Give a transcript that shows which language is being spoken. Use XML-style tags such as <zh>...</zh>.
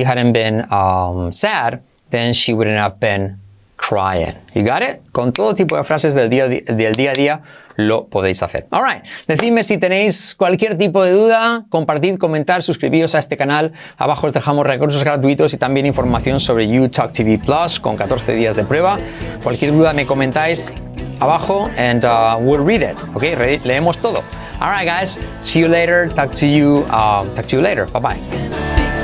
<en>If she hadn't been sad, then she wouldn't have been crying. You got it?</en> <es>Con todo tipo de frases del día a día lo podéis hacer.</es> <en>All right.</en> <es>Decidme si tenéis cualquier tipo de duda. Compartid, comentar, suscribíos a este canal. Abajo os dejamos recursos gratuitos y también información sobre YouTalk TV Plus con 14 días de prueba. Cualquier duda me comentáis abajo</es> <en>and we'll read it. Okay?</en> <es>Leemos todo.</es> <en>All right, guys. See you later. Talk to you later. Bye-bye.</en>